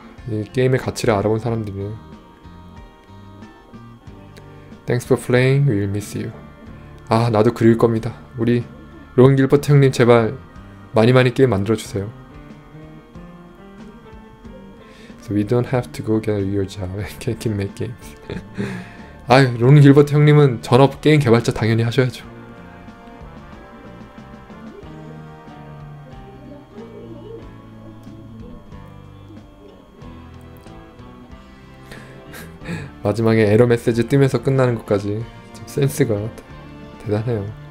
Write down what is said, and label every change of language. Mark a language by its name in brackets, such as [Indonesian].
[Korean] 이 게임의 가치를 알아본 사람들이. [English] Thanks for playing. We'll miss you. [Korean] 아, 나도 그리울 겁니다. 우리 론 길버트 형님 제발 많이 많이 게임 만들어주세요. [English] So we don't have to go get a real job. We can make games. [Korean] 아, 론 길버트 형님은 전업 게임 개발자 당연히 하셔야죠. 마지막에 에러 메시지 뜨면서 끝나는 것까지 좀 센스가 대단해요.